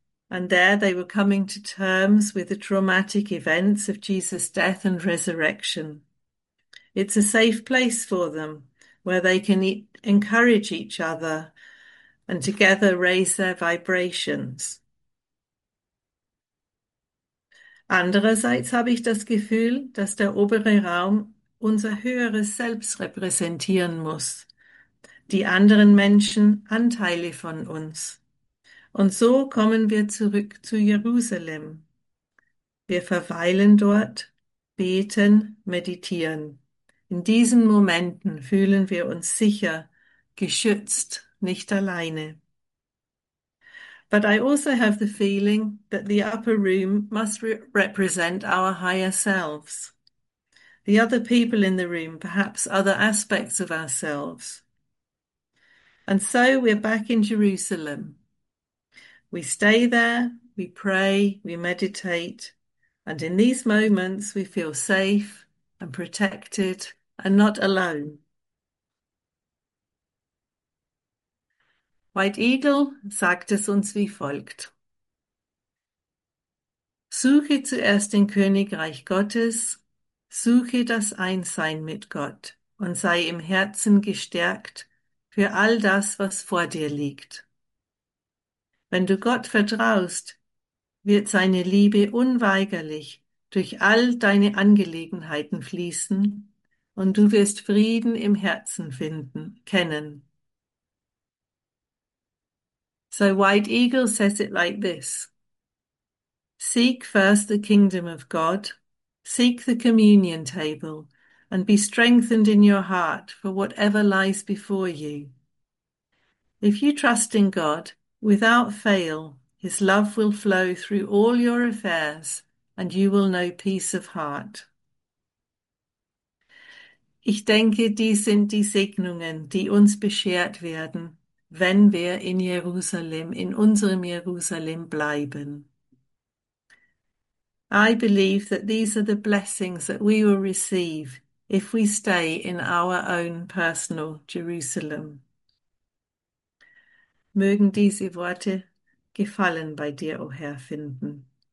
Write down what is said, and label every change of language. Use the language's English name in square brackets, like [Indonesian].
[English] And there they were coming to terms with the traumatic events of Jesus' death and resurrection. It's a safe place for them where they can encourage each other and together raise their vibrations. [German] Andererseits habe ich das Gefühl, dass der obere Raum unser höheres Selbst repräsentieren muss. Die anderen Menschen Anteile von uns. Und so kommen wir zurück zu Jerusalem. Wir verweilen dort, beten, meditieren. In diesen Momenten fühlen wir uns sicher, geschützt, nicht alleine. [English] But I also have the feeling that the upper room must re represent our higher selves. The other people in the room, perhaps other aspects of ourselves. And so we're back in Jerusalem. We stay there, we pray, we meditate, and in these moments we feel safe and protected and not alone. [German] White Eagle sagt es uns wie folgt: Suche zuerst den Königreich Gottes, suche das Einssein mit Gott und sei im Herzen gestärkt für all das, was vor dir liegt. Wenn du Gott vertraust, wird seine Liebe unweigerlich durch all deine Angelegenheiten fließen und du wirst Frieden im Herzen finden, kennen. [English] So White Eagle says it like this: Seek first the kingdom of God, seek the communion table, and be strengthened in your heart for whatever lies before you. If you trust in God, without fail, his love will flow through all your affairs and you will know peace of heart. [German] Ich denke, dies sind die Segnungen, die uns beschert werden, wenn wir in Jerusalem, in unserem Jerusalem bleiben. [English] I believe that these are the blessings that we will receive if we stay in our own personal Jerusalem. [German] Mögen diese Worte Gefallen bei dir, o Herr, finden.